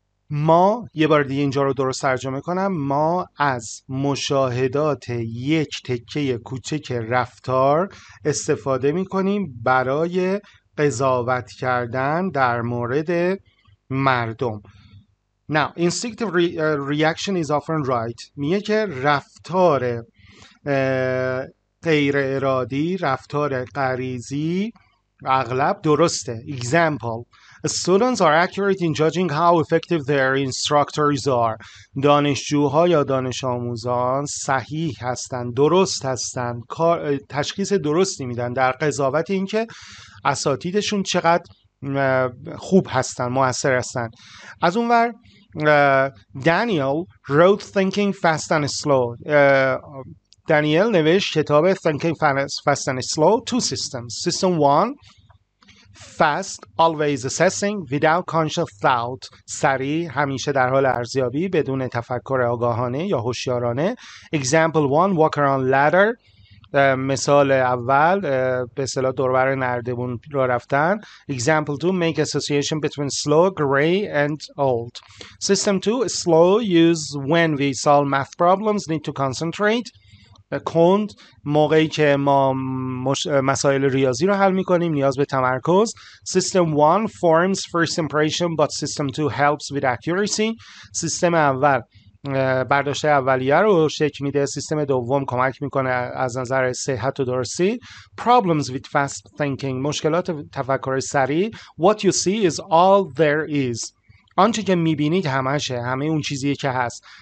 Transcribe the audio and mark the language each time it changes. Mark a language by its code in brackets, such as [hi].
[fa] ما یه بار دیگه اینجا رو درست ترجمه کنم، ما از مشاهدات یک تکه کوچک رفتار استفاده می‌کنیم برای قضاوت کردن در مورد مردم. [en] Now, instinctive reaction is often right. [fa] میگه که رفتار غیر ارادی، رفتار غریزی اغلب درسته. [en] Example: Students are accurate in judging how effective their instructors are. [fa] دانشجوها یا دانش آموزان صحیح هستند، درست هستند، تشخیص درستی میدن در قضاوت اینکه اساتیدشون چقدر خوب هستند، مؤثر هستند. از اون ور دانیل [en] wrote [fa] Thinking Fast and Slow. دانیل نوشت کتاب Thinking Fast and Slow. [en] Two systems. System one: fast, always assessing, without conscious thought. [fa] سریع، همیشه در حال ارزیابی، بدون تفکر آگاهانه یا هوشیارانه. [en] Example one: walker on ladder. [fa] مثال اول، به اصطلاح دوربر نردبون را رفتن. [en] Example two: make association between slow, gray and old. System two: slow, use when we solve math problems, need to concentrate. [fa] کند، موقعی که ما مسائل ریاضی رو حل میکنیم نیاز به تمرکز. [en] System 1 forms first impression but system 2 helps with accuracy. [fa] سیستم اول برداشت اولیه رو شکل میده، سیستم دوم کمک میکنه از نظر صحت و درستی. [en] Problems with fast thinking، [fa] مشکلات تفکر سریع. [en] What you see is all there is، [fa] آنچه که میبینید همشه، همه اون چیزیه که هست.